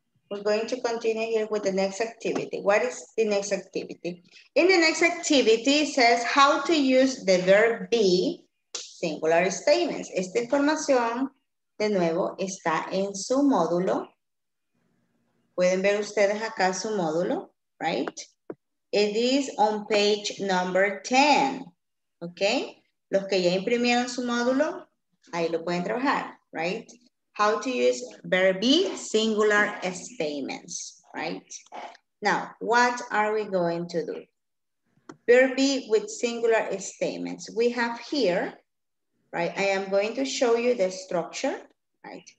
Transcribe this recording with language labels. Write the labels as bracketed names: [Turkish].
[English] We're going to continue here with the next activity. What is the next activity? In the next activity, it says how to use the verb be singular statements. [Spanish] Esta información, de nuevo, está en su módulo. Pueden ver ustedes acá su módulo, [English] right? It is on page number 10, okay? [Spanish] Los que ya imprimieron su módulo, ahí lo pueden trabajar, right? [English] How to use verb be singular statements, right? Now, what are we going to do? Verb be with singular statements. We have here, right? I am going to show you the structure, right?